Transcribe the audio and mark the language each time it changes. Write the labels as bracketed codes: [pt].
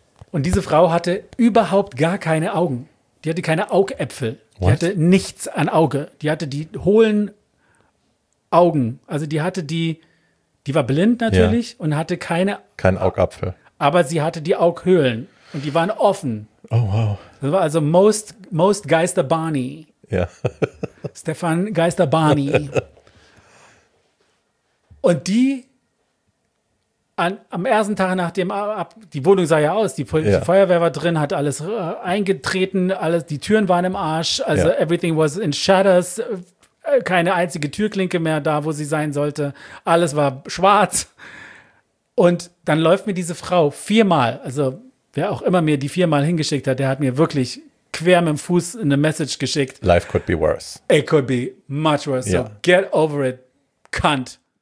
[de] Und diese Frau hatte überhaupt gar keine Augen. Die hatte keine Augäpfel, die hatte nichts an Auge, die hatte die hohlen Augen, also die hatte die war blind natürlich und hatte kein Augapfel, aber sie hatte die Aughöhlen und die waren offen. Oh wow. Das war also most Geister Barney. Ja. Stefan Geister Barney. Und die am ersten Tag nach dem die Wohnung sah ja aus, die Feuerwehr war drin, hat alles eingetreten, alles, die Türen waren im Arsch, also [en] everything was in shadows, [de] keine einzige Türklinke mehr da, wo sie sein sollte, alles war schwarz. Und dann läuft mir diese Frau 4-mal, also wer auch immer mir die 4-mal hingeschickt hat, der hat mir wirklich quer mit dem Fuß eine Message geschickt. [en] Life could be worse. It could be much worse, so get over it, cunt.